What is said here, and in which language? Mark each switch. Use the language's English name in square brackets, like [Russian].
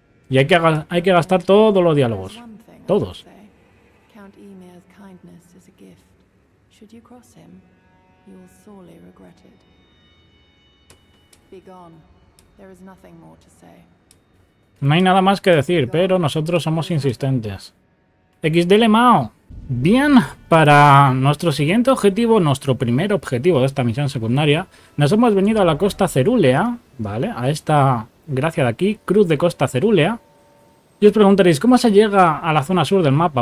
[Spanish] Y hay que gastar todos los diálogos. Todos. [English] Count Emir's kindness is a gift. Should you cross him, you will sorely regret it. Be gone. There is nothing more to say. [Spanish] No hay nada más que decir, pero nosotros somos insistentes. XD Lemao. Bien, para nuestro siguiente objetivo, nuestro primer objetivo de esta misión secundaria, nos hemos venido a la costa Cerúlea, ¿vale? A esta gracia de aquí, Cruz de Costa Cerúlea. Y os preguntaréis, ¿cómo se llega a la zona sur del mapa?